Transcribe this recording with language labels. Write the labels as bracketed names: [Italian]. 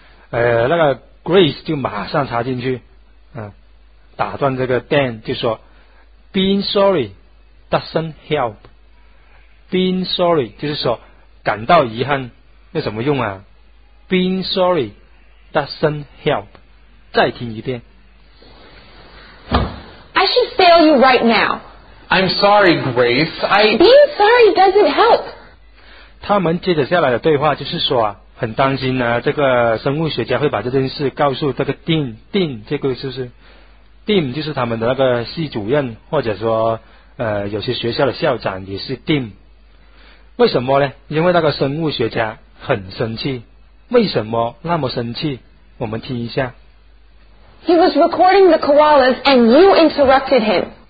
[Chinese] 那个 Grace 就马上插进去，打断这个 Dan 就说 ， [English] Being sorry doesn't help。 [Chinese] Being sorry 就是说感到遗憾，有什么用啊 ？ [English] Being sorry doesn't help。 [Chinese] 再听一遍。 [English] I should fail you right now. I'm sorry, Grace. Being sorry doesn't help. [Chinese] 他们接着下来的对话就是说啊，很担心呢、啊，这个生物学家会把这件事告诉这个 Dean， 这个就是。 Dean 就是他们的那个系主任，或者说有些学校的校长也是 Dean。为什么呢？因为那个生物学家很生气。为什么那么生气？我们听一下。 [English] He was recording the koalas and you interrupted him.